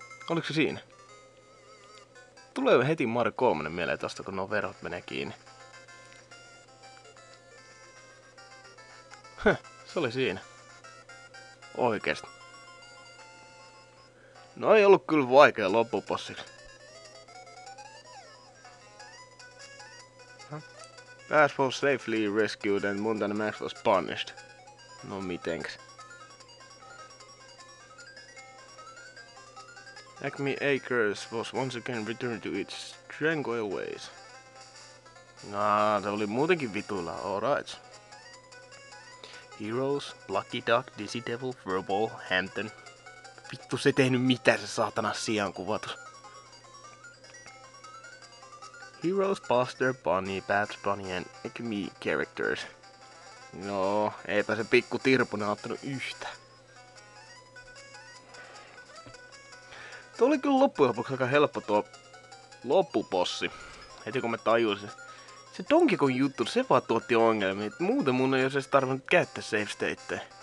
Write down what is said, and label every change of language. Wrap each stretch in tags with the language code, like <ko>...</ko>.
<fi>Oliko se siinä? Tulee heti Mario 3 mieleen tosta, kun nuo verhot menee kiinni. Se oli siinä. Oikeesti. No ei ollut kyllä vaikea loppupossiksi.</fi> <en>Bass was safely rescued and Montana Max was punished.</en> <fi>No mitenks?</fi> <en>Acme Acres was once again returned to its tranquil ways.</en> <fi>Nah, se oli muutenkin vitulla, alright. Heroes, Lucky Duck, Dizzy Devil, Furball, Hampton. Vittu, se ei tehnyt mitään se saatana sijankuvatus.</fi> <en>Heroes, Buster, Bunny, Babs, Bunny and Acme characters.</en> <fi>No, eipä se pikku tirpunen ottanut yhtä. Tuo oli kyllä loppujen lopuksi aika helppo tuo loppupossi, heti kun mä tajusin. Se Donkey Kong juttu, se vaan tuotti ongelmia, et muuten mun ei olisi tarvinnut käyttää save stateä.</fi>